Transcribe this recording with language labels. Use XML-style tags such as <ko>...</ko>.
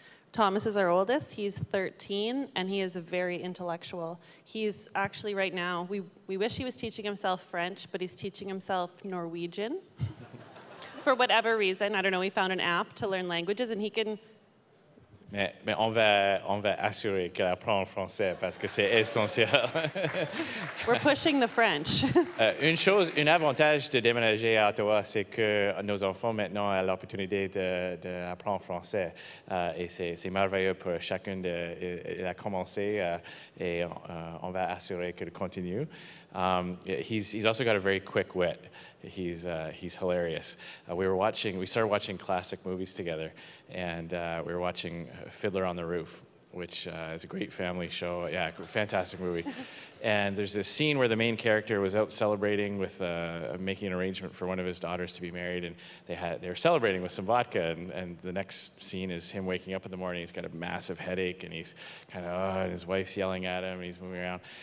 <en>Thomas is our oldest. He's 13, and he is very intellectual. He's actually right now, we wish he was teaching himself French, but he's teaching himself Norwegian. For whatever reason, I don't know, we found an app to learn languages, and he can...</en> <fr>Mais on va assurer qu'elle apprend le français parce que c'est essentiel.</fr> <en>We're pushing the French.</en> <fr>un avantage de déménager à Ottawa, c'est que nos enfants maintenant ont l'opportunité d'apprendre français. Et c'est merveilleux pour chacun de la commencer et on va assurer qu'elle continue.</fr> <en>He's also got a very quick wit. He's hilarious. We started watching classic movies together, and we were watching Fiddler on the Roof, which is a great family show. Yeah, fantastic movie. And there's this scene where the main character was out celebrating with making an arrangement for one of his daughters to be married, and they were celebrating with some vodka, and the next scene is him waking up in the morning. He's got a massive headache, and he's kind of, and his wife's yelling at him, and he's moving around.</en>